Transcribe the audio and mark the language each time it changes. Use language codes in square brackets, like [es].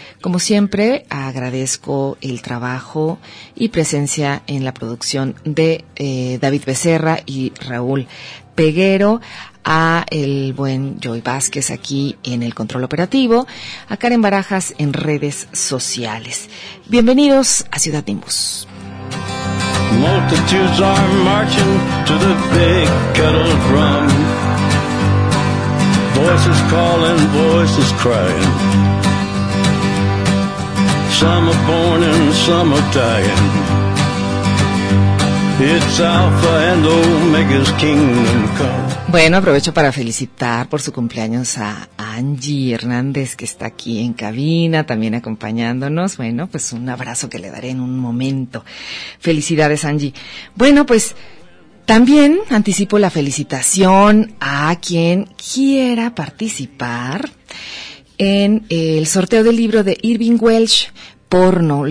[es] Como siempre, agradezco el trabajo y presencia en la producción de David Becerra y Raúl Peguero, a el buen Joy Vázquez aquí en el control operativo, a Karen Barajas en redes sociales. Bienvenidos a Ciudad Nimbus. [en] Multitudes are marching to the big kettle drum. Voices calling, voices crying. Some are born and some are dying. It's Alpha and Omega's kingdom come. [es] Bueno, aprovecho para felicitar por su cumpleaños a Angie Hernández, que está aquí en cabina, también acompañándonos. Bueno, pues un abrazo que le daré en un momento. Felicidades, Angie. Bueno, pues también anticipo la felicitación a quien quiera participar en el sorteo del libro de Irving Welsh, Porno.